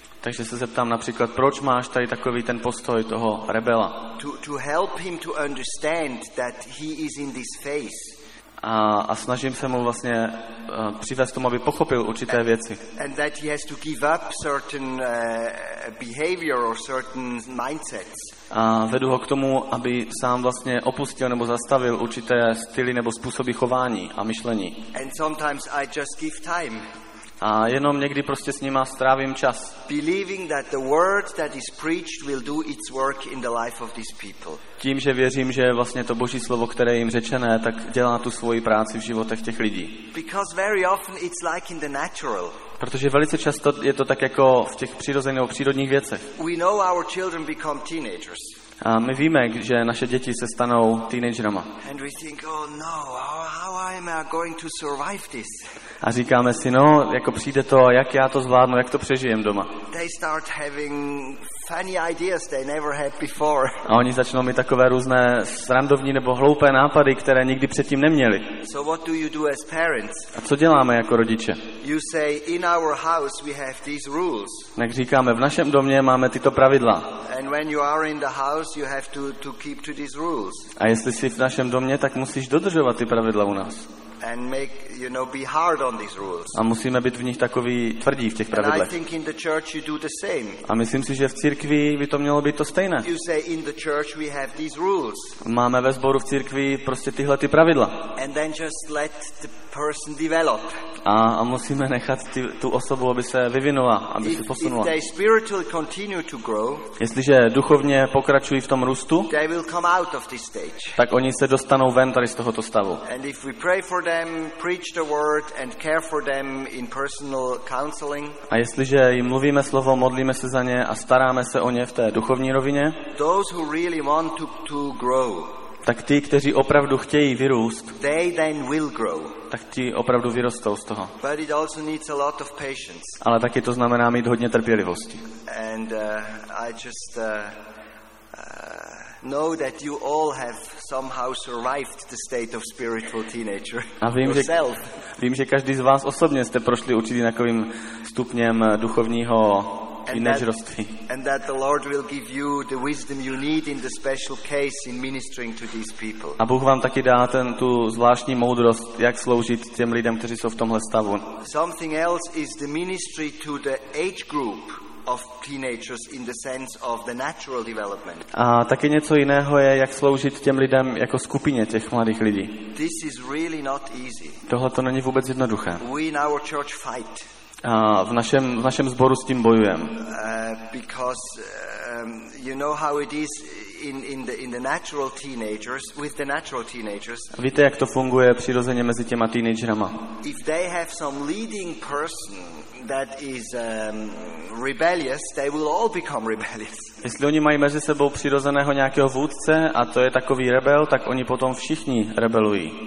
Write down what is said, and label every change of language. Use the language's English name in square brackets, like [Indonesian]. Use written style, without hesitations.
[Czech] Takže se zeptám například, proč máš tady takový ten postoj toho rebela? [English] To help him to understand that he is in this phase. [Czech] A snažím se mu vlastně přivést tomu, aby pochopil určité věci. [English] And that he has to give up certain behavior or certain mindsets. [Czech] A vedu ho k tomu, aby sám vlastně opustil nebo zastavil určité styly nebo způsoby chování a myšlení. [English] And sometimes I just give time. [Czech] A jenom někdy prostě s nima strávím čas. [English] Believing that the word that is preached will do its work in the life of these people. [Czech] Tím, že věřím, že vlastně to Boží slovo, které jim řečené, tak dělá tu svoji práci v životech těch lidí. [English] Because very often it's like in the natural. [Czech] Protože velice často je to tak jako v těch přirozených nebo přírodních věcech. [English] We know our children become teenagers. [Czech] A my víme, že naše děti se stanou teenagerama. [English] And we think, oh no, how am I going to survive this? [Czech] A říkáme si, no, jako přijde to, jak já to zvládnu, jak to přežijem doma. [English] They start having funny ideas they never had before. [Czech] A oni začnou mít takové různé srandovní nebo hloupé nápady, které nikdy předtím neměli. [English] So what do you do as parents? [Czech] A co děláme jako rodiče? [English] You say, in our house we have these rules. [Czech] Tak říkáme, v našem domě máme tyto pravidla. [English] And when you are in the house you have to keep to these rules. [Czech] A jestli jsi v našem domě, tak musíš dodržovat ty pravidla u nás. [English] And make, you know, be hard on these rules. [Czech] A musíme být v nich takový tvrdí v těch pravidlech. [English] And I think in the church you do the same. [Czech] A myslím si, že v církvi by to mělo být to stejné. [English] You say in the church we have these rules. [Czech] Máme ve sboru v církvi prostě tyhle ty pravidla. [English] And then just let the person develop. [Czech] A musíme nechat tu osobu, aby se vyvinula, aby se posunula. [English] If they spiritually continue to grow, [Czech] jestliže duchovně pokračují v tom růstu, [English] they will come out of this stage. [Czech] Tak oni se dostanou ven tady z tohoto stavu. [English] And if we pray for them, preach the word and care for them in personal counseling. [Czech] A jestliže jim mluvíme slovo, modlíme se za ně a staráme se o ně v té duchovní rovině, [English] those who really want to grow, [Czech] tak ti, kteří opravdu chtějí vyrůst, [English] they then will grow, [Czech] tak ti opravdu vyrostou z toho. [English] But it also needs a lot of patience. [Czech] Ale taky to znamená mít hodně trpělivosti. [English] And I just know that you all have somehow survived the state of spiritual teenager. [Czech] A vím, že každý z vás osobně jste prošli určitým takovým stupněm duchovního teenagerství. [English] And that the Lord will give you the wisdom you need in the special case in ministering to these people. [Czech] A Bůh vám taky dá tu zvláštní moudrost, jak sloužit těm lidem, kteří jsou v tomhle stavu. [English] Something else is the ministry to the age group of teenagers in the sense of the natural development. [Czech] A taky něco jiného je, jak sloužit těm lidem jako skupině těch mladých lidí. [English] This is really not easy. [Czech] Tohle to není vůbec jednoduché. [English] We in our church fight. [Czech] V našem sboru s tím bojujem. [English] Because you know how it is in the natural teenagers, with the natural teenagers. [Czech] Víte, jak to funguje přirozeně mezi těma teenagerama. [English] If they have some leading person that is rebellious, they will all become rebellious. [Czech] Jestli oni mají mezi sebou přirozeného nějakého vůdce a to je takový rebel, tak oni potom všichni rebelují.